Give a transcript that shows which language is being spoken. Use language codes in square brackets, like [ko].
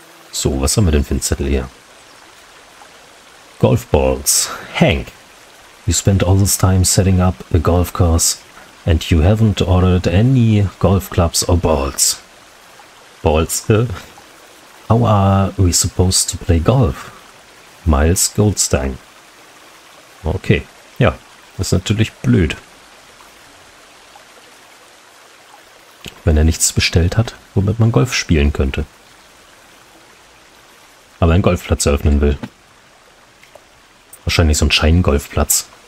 [de] So, was haben wir denn für einen Zettel hier? [en] Golfballs. Hank, you spent all this time setting up a golf course and you haven't ordered any golf clubs or balls. Balls, how are we supposed to play golf? Miles Goldstein. [de] Okay, ja, das ist natürlich blöd. Wenn er nichts bestellt hat, womit man Golf spielen könnte. Aber einen Golfplatz eröffnen will. Wahrscheinlich so ein Scheingolfplatz.